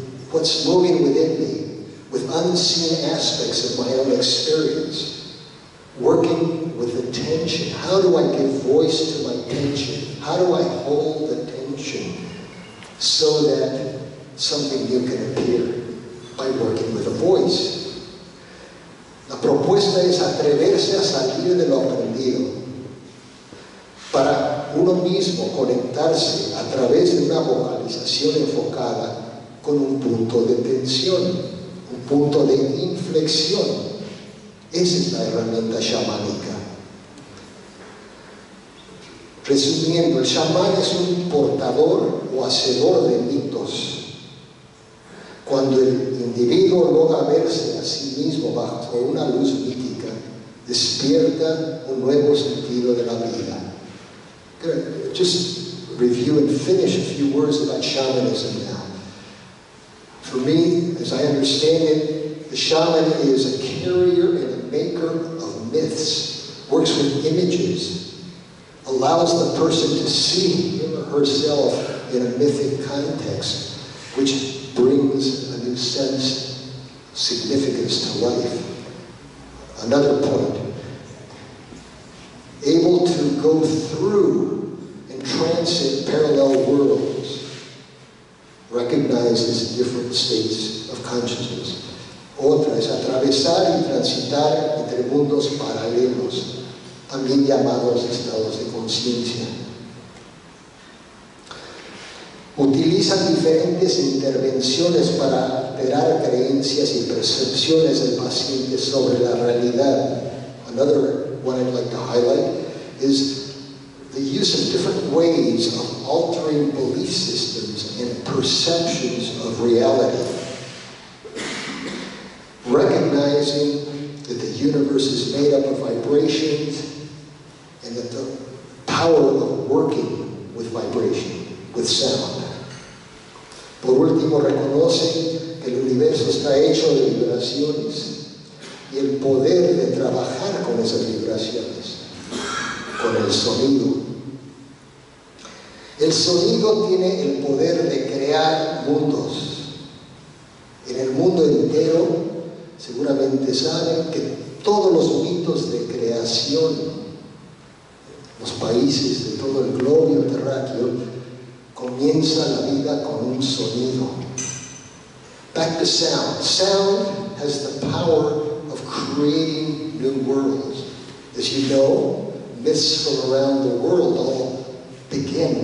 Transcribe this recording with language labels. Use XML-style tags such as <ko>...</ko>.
<en>What's moving within me, with unseen aspects of my own experience, working with the tension. How do I give voice to my tension? How do I hold the tension so that something new can appear? By working with a voice.</en> <es>La propuesta es atreverse a salir de lo aprendido para uno mismo conectarse a través de una vocalización enfocada con un punto de tensión, un punto de inflexión. Esa es la herramienta chamánica. Resumiendo, el chamán es un portador o hacedor de mitos. Cuando el individuo logra verse a sí mismo bajo una luz mítica, despierta un nuevo sentido de la vida.</es> <en>Just review and finish a few words about shamanism now. For me, as I understand it, the shaman is a carrier and a maker of myths, works with images, allows the person to see him or herself in a mythic context, which brings a new sense, significance to life. Another point, able to go through and transit parallel worlds, recognizes different states of consciousness.</en> <es>Otra es atravesar y transitar entre mundos paralelos, también llamados estados de conciencia. Utiliza diferentes intervenciones para alterar creencias y percepciones del paciente sobre la realidad.</es> <en>Another one I'd like to highlight is the use of different ways of altering belief systems and perceptions of reality. Recognizing that the universe is made up of vibrations and that the power of working with vibration, with sound.</en> <es>Por último, reconoce que el universo está hecho de vibraciones y el poder de trabajar con esas vibraciones, con el sonido. El sonido tiene el poder de crear mundos. En el mundo entero, seguramente saben que todos los mitos de creación, los países de todo el globo terráqueo, comienza la vida con un sonido.</es> <en>Back to sound. Sound has the power of creating new worlds. As you know, myths from around the world all begin.</en>